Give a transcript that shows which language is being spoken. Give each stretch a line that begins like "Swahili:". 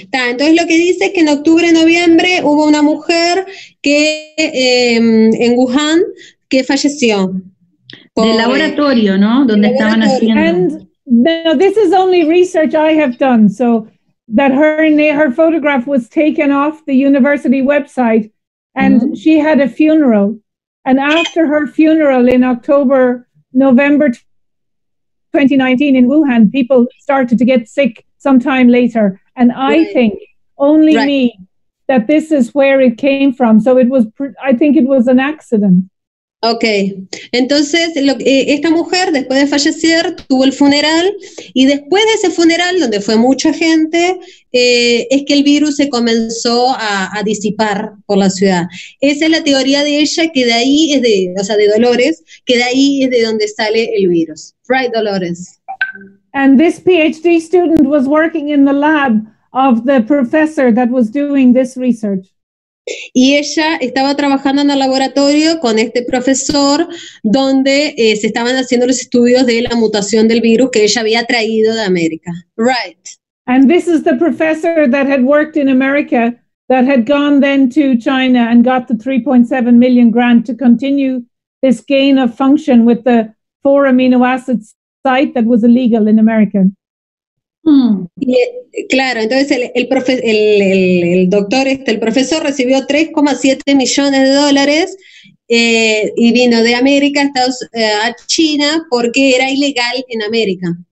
Spanish: Ta, entonces lo que dice es que en octubre, noviembre hubo una mujer que en Wuhan que falleció. Del laboratorio, ¿no? Donde estaban haciendo.
English: And now, this is only research I have done, so that her photograph was taken off the university website and mm-hmm. she had a funeral. And after her funeral in October, November 2019 in Wuhan, people started to get sick sometime later. And I think, only me, that this is where it came from. So it was, I think it was an accident. Okay.
Spanish: Entonces, esta mujer, después de fallecer, tuvo el funeral, y después de ese funeral, donde fue mucha gente, es que el virus se comenzó a disipar por la ciudad. Esa es la teoría de ella, que de ahí es de, o sea, de Dolores, que de ahí es de donde sale el virus.
English: Right, Dolores? And this PhD student was working in the lab of the professor that was doing this research.
Spanish: Y ella estaba trabajando en el laboratorio con este profesor donde se estaban haciendo los estudios de la mutación del virus que ella había traído de América. Right.
English: And this is the professor that had worked in America that had gone then to China and got the 3.7 million grant to continue this gain of function with the 4 amino acid site that was illegal in America.
Spanish: Y, claro, entonces el doctor, el profesor recibió 3,7 millones de dólares y vino de América a China porque era ilegal en América.